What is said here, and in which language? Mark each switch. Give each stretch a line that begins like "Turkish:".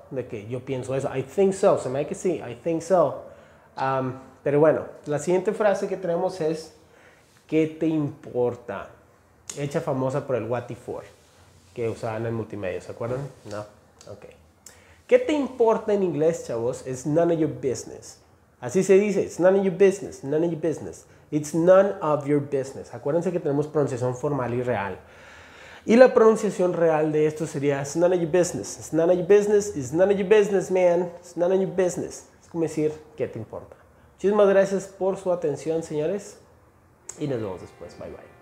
Spanish: De que yo pienso eso.
English: I think so.
Spanish: Se me hace que sí. I think so. Pero bueno, la siguiente frase que tenemos es ¿qué te importa? Hecha famosa por el what if for, que usaban en multimedia, ¿se acuerdan? No, ok. ¿Qué te importa en inglés, chavos?
English: It's none of your business.
Spanish: Así se dice,
English: it's none of your business, none of your business. It's none of your business.
Spanish: Acuérdense que tenemos pronunciación formal y real. Y la pronunciación real de esto sería,
English: it's none of your business, it's none of your business, it's none of your business, man. It's none of your business.
Spanish: Es como decir, ¿qué te importa? Muchísimas gracias por su atención, señores. Y nos vemos después.
English: Bye, bye.